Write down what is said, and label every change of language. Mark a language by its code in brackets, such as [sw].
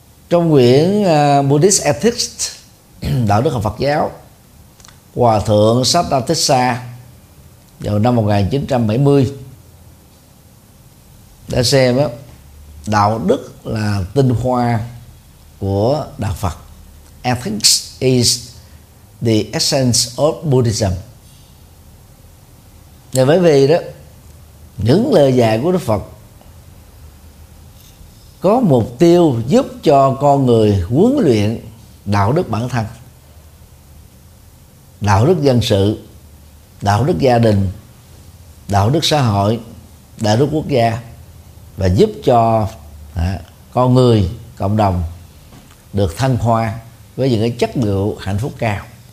[vi] Trong quyển Buddhist Ethics, đạo đức học Phật giáo, Hòa thượng Sattva Thích Sa vào năm 1970 đã xem đó, đạo đức là tinh hoa của đạo Phật. [en] Ethics is the essence of Buddhism. [vi] Và bởi vì đó, những lời dạy của Đức Phật có mục tiêu giúp cho con người huấn luyện đạo đức bản thân, đạo đức dân sự, đạo đức gia đình, đạo đức xã hội, đạo đức quốc gia, và giúp cho con người, cộng đồng được thăng hoa với những cái chất liệu hạnh phúc cao.